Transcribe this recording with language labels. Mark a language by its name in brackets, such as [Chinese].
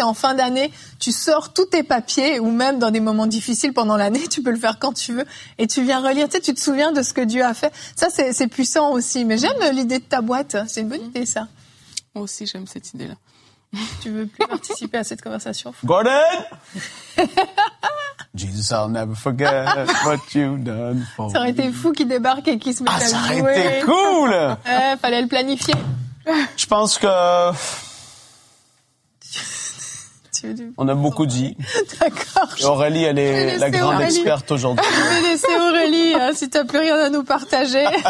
[French] Et en fin d'année, tu sors tous tes papiers, ou même dans des moments difficiles pendant l'année, tu peux le faire quand tu veux, et tu viens relire. Tu sais, tu te souviens de ce que Dieu a fait. Ça, c'est puissant aussi. Mais j'aime l'idée de ta boîte. C'est une bonne idée, ça. Moi aussi, j'aime cette idée-là. Tu veux plus participer à cette conversation, Gordon? [English] Jesus, I'll never forget what you've done for me. [French] Ça aurait été fou qu'il débarque et qu'il se mette à jouer. Ah, ça aurait été cool! Fallait le planifier. Je pense que... On a beaucoup dit. D'accord. Et Aurélie, elle est la grande experte aujourd'hui. Je vais laisser Aurélie, si tu n'as plus rien à nous partager.